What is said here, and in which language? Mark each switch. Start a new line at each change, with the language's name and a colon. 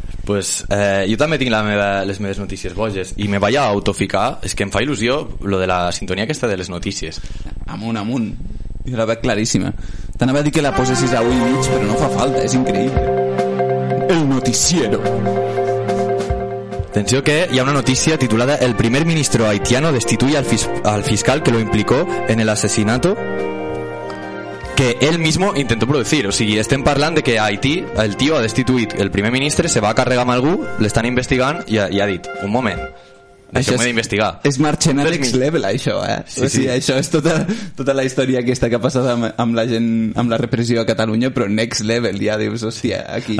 Catalan: Pues, jo també tinc les meves notícies boges i me vaig a autoficar, és que em fa il·lusió lo de la sintonia aquesta de les notícies. Amunt, jo la veig claríssima. T'anava a dir que la posessis avui i mig, però no fa falta, és increïble.
Spanish: El noticiero.
Catalan: Atenció que hi ha una notícia titulada
Spanish: El primer ministro haitiano destituye al fiscal que lo implicó en el asesinato que él mismo intentó producir.
Catalan: O sigui, estem parlant de que a Haití el tío ha destituït el primer ministre, se va a carregar amb algú, l'estan investigant i ha dit, un moment, això m'he d'investigar. És marxant a next level, això, eh? Sí, o sigui, sí. Això és tota la història aquesta que ha passat amb la gent, amb la repressió a Catalunya, però next level, ja dius, hòstia, aquí...